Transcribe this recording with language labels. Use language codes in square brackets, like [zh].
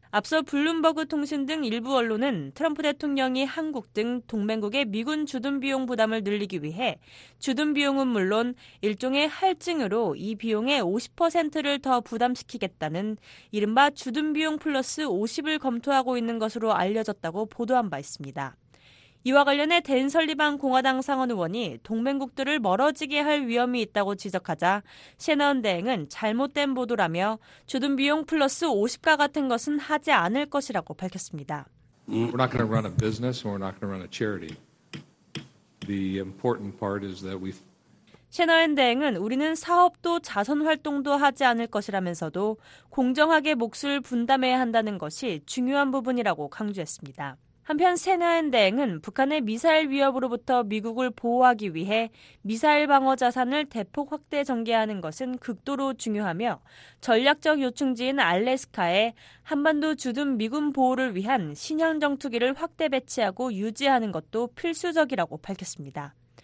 [ko] 앞서 블룸버그 통신 등 일부 언론은 트럼프 대통령이 한국 등 동맹국의 미군 주둔 비용 부담을 늘리기 위해 주둔 비용은 물론 일종의 할증으로 이 비용의 50%를 더 부담시키겠다는 이른바 주둔 비용 플러스 50을 검토하고 있는 것으로 알려졌다고 보도한 바 있습니다. 이와 관련해 댄 설리반 공화당 상원 의원이 동맹국들을 멀어지게 할 위험이 있다고 지적하자 셰넌 대행은 잘못된 보도라며 주둔 비용 플러스 50과 같은 것은 하지 않을 것이라고 밝혔습니다. [en] We're not going to run a business and we're not going to run a charity. The important part is that we [ko] 셰너앤 대행은 우리는 사업도 자선 활동도 하지 않을 것이라면서도 공정하게 몫을 분담해야 한다는 것이 중요한 부분이라고 강조했습니다. 한편 셰너앤 대행은 북한의 미사일 위협으로부터 미국을 보호하기 위해 미사일 방어 자산을 대폭 확대 전개하는 것은 극도로 중요하며 전략적 요충지인 알래스카에 한반도 주둔 미군 보호를 위한 신형 정투기를 확대 배치하고 유지하는 것도 필수적이라고 밝혔습니다.